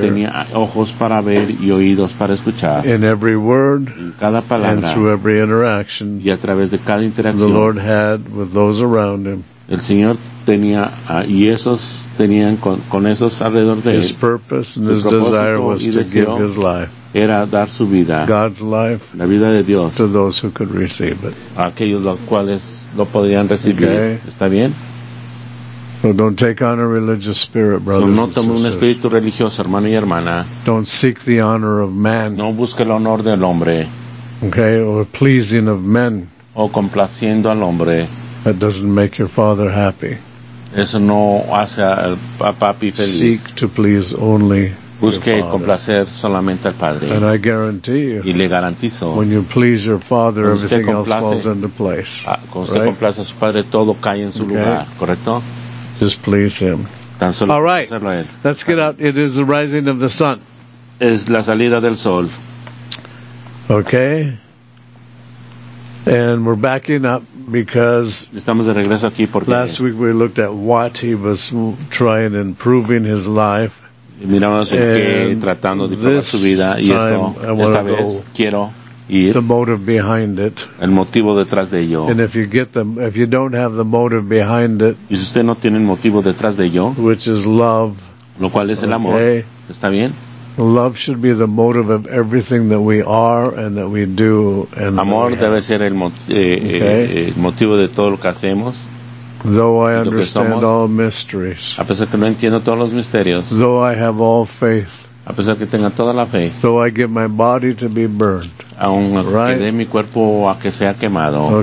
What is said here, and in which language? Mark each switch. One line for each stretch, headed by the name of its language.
Spanish: Tenía ojos para ver y oídos para escuchar.
English: In every word,
Spanish: en cada palabra,
English: and through every interaction,
Spanish: y a través de cada interacción,
English: the Lord had with those around him.
Spanish: El Señor tenía y esos tenían con esos alrededor de
English: his
Spanish: él.
English: His purpose and his desire was to give his life.
Spanish: Era dar su vida,
English: God's life,
Spanish: la vida de Dios,
English: to those who could receive it.
Spanish: A aquellos los cuales lo podían recibir.
English: Okay.
Spanish: ¿Está bien?
English: So don't take on a religious spirit, brothers
Spanish: no tome
English: and
Spanish: un espíritu religioso, hermano y hermana.
English: Don't seek the honor of man.
Spanish: No busque el honor del hombre.
English: Okay, or pleasing of men.
Spanish: O complaciendo al hombre.
English: That doesn't make your father happy.
Spanish: Eso no hace a papi feliz.
English: Seek to please only.
Spanish: Busque complacer solamente al Padre.
English: And I guarantee you,
Spanish: y le garantizo,
English: when you please your Father, everything else falls into place.
Spanish: Cuando usted complace a su Padre, todo cae en su
English: okay.
Spanish: lugar, ¿correcto?
English: Just please Him.
Spanish: Tan solo
English: All right,
Spanish: hacerlo a él.
English: Let's get out. It is the rising of the sun.
Spanish: Es la salida del sol.
English: Okay. And we're backing up because
Spanish: estamos de regreso aquí porque
English: last week we looked at what He was trying and proving His life.
Spanish: Y miramos el que tratando de probar su vida y esto, esta vez quiero ir
English: the motive behind it.
Spanish: El motivo detrás de ello.
English: And if you get them, if you don't have the motive behind it,
Spanish: y si usted no tiene el motivo detrás de ello,
English: which is love,
Spanish: lo cual es el amor,
English: okay.
Spanish: ¿Está bien?
English: Love should be the motive of everything that we are and that we do. And
Spanish: amor
English: that we
Spanish: debe ser el motivo de todo lo que hacemos.
English: Though I understand all mysteries,
Spanish: a pesar que no entiendo todos los misterios,
English: though I have all faith,
Spanish: A pesar que tenga toda la fe.
English: So I give my body to be burned.
Spanish: Aun right? Que dé mi cuerpo a que sea quemado.